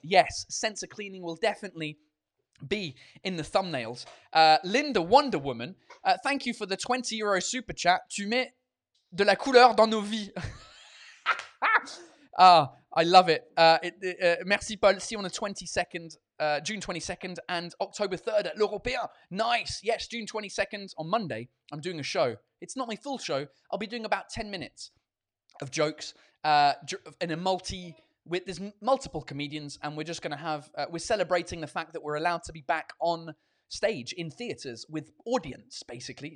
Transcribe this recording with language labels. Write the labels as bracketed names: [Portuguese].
[English] Yes, sensor cleaning will definitely be in the thumbnails. Linda Wonder Woman, thank you for the €20 super chat. [French] Tu mets de la couleur dans nos vies. [English] I love it. [French] Merci [English] Paul. See you on the 22nd, June 22nd and October 3rd at L'Européen. Nice. Yes, June 22nd on Monday, I'm doing a show. It's not my full show. I'll be doing about 10 minutes of jokes. There's multiple comedians, and we're just going to have, we're celebrating the fact that we're allowed to be back on stage in theatres with audience, basically.